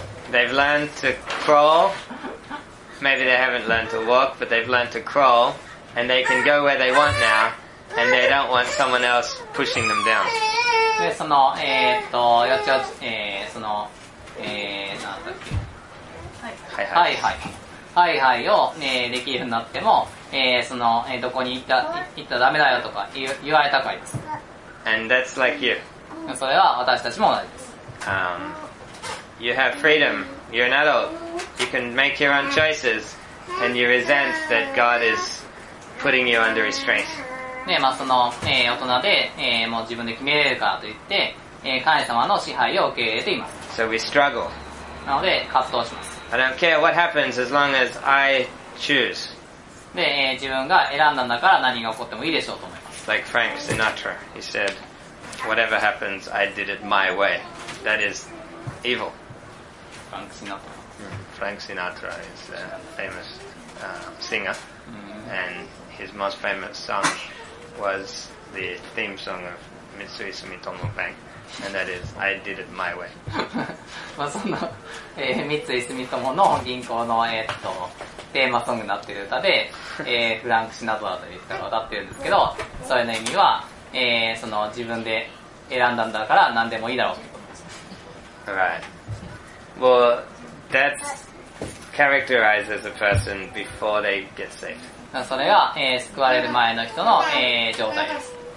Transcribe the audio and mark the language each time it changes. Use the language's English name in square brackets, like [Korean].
[English] They've learned to crawl. Maybe they haven't learned to walk, but they've learned to crawl. And they can go where they want now. And they don't want someone else pushing them down. [Japanese] で、その、よちよち、その、なんだっけ。はいはい。はいはい。はいはいを、できるようになっても、その、どこに行ったらダメだよとか言われたくないです。 [English] And that's like you. [Japanese] それは私たちも同じです。 [English] You have freedom. You're an adult. You can make your own choices. And you resent that God is putting you under restraint. [Japanese] ね、まあ、その、大人で、もう自分で決めれるからといって、神様の支配を受け入れています。 [English] So we struggle. [Japanese] なので、葛藤します。 [English] I don't care what happens as long as I choose. [Japanese] で、自分が選んだんだから何が起こってもいいでしょうと思います。 [English] Like Frank Sinatra, he said, whatever happens, I did it my way. That is evil. Frank Sinatra. Frank Sinatra is a famous singer, and his most famous song was the theme song of Mitsui Sumitomo Bank. And that is, I did it my way. [Japanese] まあその、三井住友の銀行の、テーマソングになっている歌で、フランク・シナトラという人が歌っているんですけど、それの意味は、その自分で選んだんだから何でもいいだろうということです。 [English] Right. Well, that characterizes a person before they get saved. [Japanese] それが、救われる前の人の、状態です。